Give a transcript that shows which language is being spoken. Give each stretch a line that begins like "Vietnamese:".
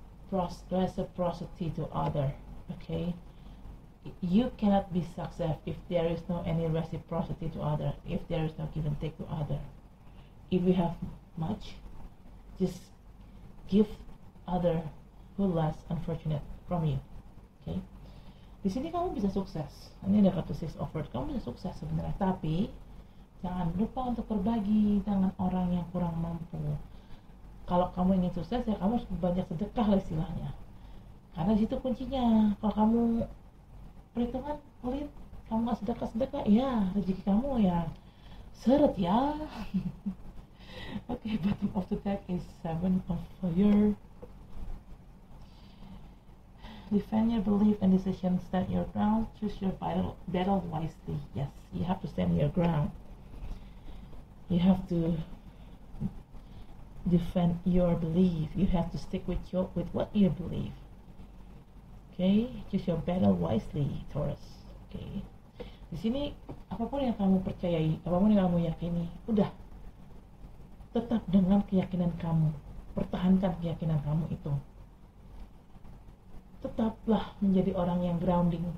English: Reciprocity to other. Okay? You cannot be successful if there is no any reciprocity to other, if there is no give and take to other. If you have much, just give other who less unfortunate from you. Okay?
Indonesian: Di sini kamu bisa sukses. Ini ada kartu Six of Earth. Kamu bisa sukses sebenarnya, tapi jangan lupa untuk berbagi dengan orang yang kurang mampu. Kalau kamu ingin sukses, ya kamu harus banyak sedekah lah istilahnya. Karena di situ kuncinya. Kalau kamu perhitungan pelit, kamu gak sedekah-sedekah, ya rezeki kamu ya seret ya.
English: Okay, bottom of the deck is Seven of Fire. Defend your belief and decision, stand your ground, choose your battle wisely. Yes, you have to stand your ground. You have to defend your belief. You have to stick with what you believe. Okay, choose your battle wisely, Taurus.
Indonesian: Okay, di sini apapun yang kamu percayai, apapun yang kamu yakini, udah tetap dengan keyakinan kamu. Pertahankan keyakinan kamu itu. Tetaplah menjadi orang yang grounding.